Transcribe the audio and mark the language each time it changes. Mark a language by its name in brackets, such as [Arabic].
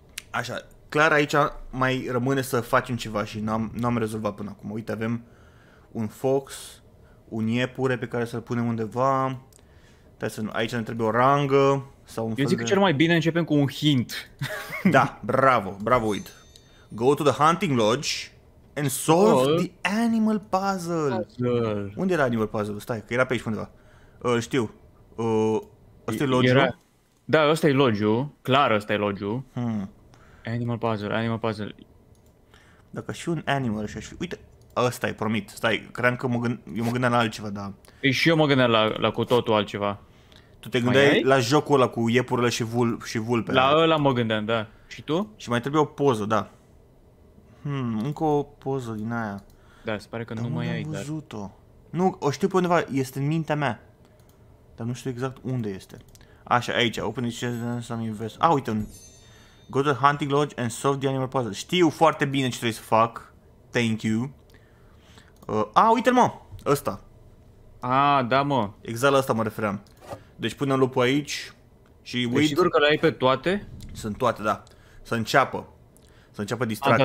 [Romanian] Așa. Clar, aici mai rămâne să facem ceva și n-am rezolvat până acum. Uite, avem un fox, un iepure pe care să-l punem undeva. Aici ne trebuie o rangă sau un fel. Eu zic că cel mai bine începem cu un hint. Da, bravo, bravo, uite. [English] Go to the hunting lodge and solve the animal puzzle. [Romanian] Unde era animal puzzle? Stai, că era pe aici undeva. Știu. Ăsta e lodge-ul? Da, ăsta e lodge-ul. Clar, ăsta e lodge-ul. Animal puzzle, animal puzzle. Dacă și un animal și aș fi... Uite, ăsta e, promit. Stai, cred că eu mă gândeam la altceva, da. Și eu mă gândeam la cu totul altceva. Tu te gândeai la jocul ăla cu iepurile și vulpele. La ăla mă gândeam, da. Și tu? Și mai trebuie o poză, da. Încă o poză din aia. Da, se pare că dar nu mai ai, dar... văzut-o? Nu, o știu pe undeva, este în mintea mea. Dar nu știu exact unde este. Așa, aici, [English] open it, [Romanian] să-mi invest. [English] A, uite, go to the hunting lodge and solve the animal puzzle. [Romanian] Știu foarte bine ce trebuie să fac. [English] Thank you. [Romanian] Uite-l, mă! Ăsta. Ah, da, mă. Exact la ăsta mă refeream. Deci punem lupul aici. Și uite... Sigur că le ai pe toate? Sunt toate, da. Să înceapă. Să înceapă distracția.